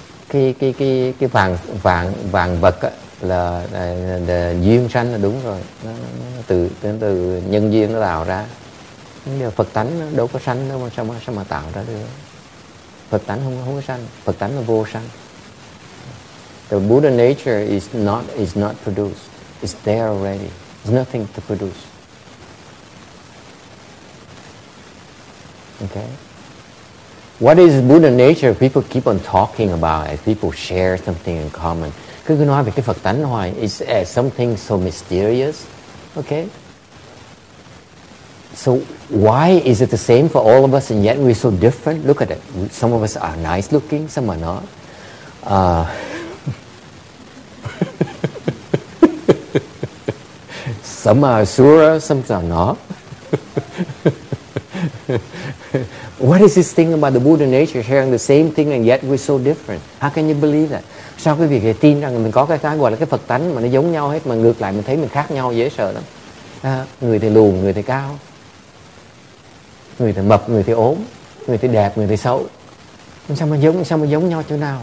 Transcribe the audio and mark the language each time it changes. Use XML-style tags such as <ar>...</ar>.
<vi>Cái vàng vật á, là duyên sanh là đúng rồi, nó từ nhân duyên nó tạo ra. Phật tánh nó đâu có sanh đâu mà sao mà tạo ra được. Phật tánh không có sanh, Phật tánh là vô sanh.</vi> <en>The Buddha nature is not produced, it's there already, there's nothing to produce. Okay. What is Buddha nature? People keep on talking about it. People share something in common.</en> <vi>Cứ nói về cái Phật tánh hoài.</vi> <en>It's something so mysterious. Okay? So why is it the same for all of us and yet we're so different? Look at it. Some of us are nice looking. Some are not. Some are surer. Some are not. What is this thing about the Buddha nature sharing the same thing and yet we're so different? How can you believe that?</en> <vi>Sao quý vị lại tin rằng mình có cái gọi là cái Phật tánh mà nó giống nhau hết mà ngược lại mình thấy mình khác nhau dễ sợ lắm. À, người thì lùn, người thì cao. Người thì mập, người thì ốm. Người thì đẹp, người thì xấu. Sao mà giống nhau chỗ nào?</vi>